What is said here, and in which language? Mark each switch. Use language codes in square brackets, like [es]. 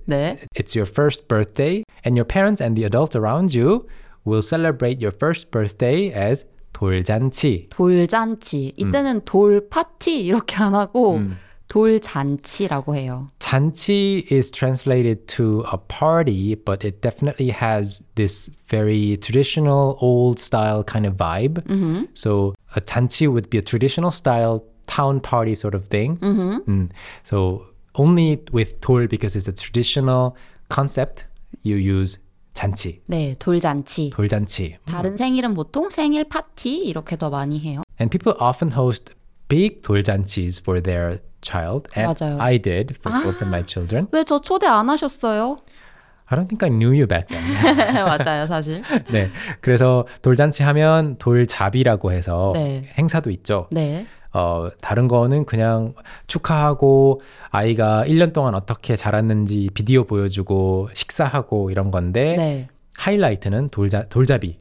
[ko] 네. [en] It's your first birthday, and your parents and the adults around you will celebrate your first birthday as 돌잔치. [ko] 돌잔치. 이때는 돌 파티 이렇게 안 하고 돌잔치라고 해요. [en] 잔치 is translated to a party, but it definitely has this very traditional old style kind of vibe. Mm-hmm. So a 잔치 would be a traditional style town party sort of thing. Mm-hmm. So only with 돌 because it's a traditional concept, you use 잔치. [ko] 네, 돌잔치. 돌잔치. 다른 생일은 보통 생일 파티 이렇게 더 많이 해요. [en] And people often host big 돌잔치s for their child, and [ko] 맞아요. [en] I did for 아, both of my children. [ko] 왜 저 초대 안 하셨어요? [en] I don't think I knew you back then. [ko] 맞아요, 사실. 네, 그래서 돌잔치 하면 돌잡이라고 해서 네. 행사도 있죠. 네. 어, 다른 거는 그냥 축하하고 아이가 1년 동안 어떻게 자랐는지 비디오 보여주고 식사하고 이런 건데 네. 하이라이트는 돌잡이.